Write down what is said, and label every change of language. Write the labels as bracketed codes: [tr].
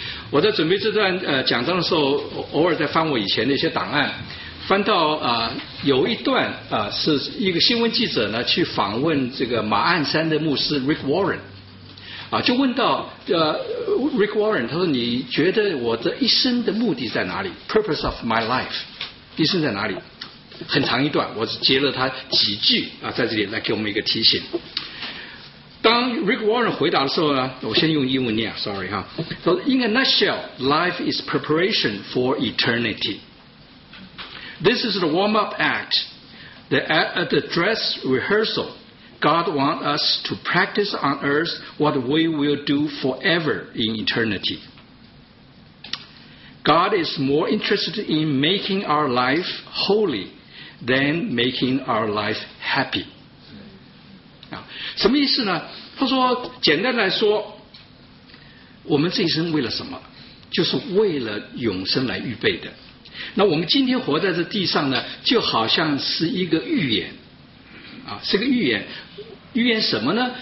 [zh] 我在准备这段讲章的时候，偶尔在翻我以前的一些档案，翻到有一段是一个新闻记者呢去访问这个马鞍山的牧师 Rick Warren 就问到Rick Warren， 他说你觉得我这一生的目的在哪里， [en] purpose of my life， [zh] 一生在哪里。很长一段，我截了他几句在这里来给我们一个提醒。当 Rick Warren 回答的时候呢，我先用英文念 ，sorry 哈。 [en] In a nutshell, life is preparation for eternity. This is the warm-up act, the dress rehearsal. God wants us to practice on earth what we will do forever in eternity. God is more interested in making our life holy than making our life happy. [zh] 什么意思呢？他说简单来说，我们这一生为了什么，就是为了永生来预备的。那我们今天活在这地上呢，就好像是一个预言是个预言。预言什么呢？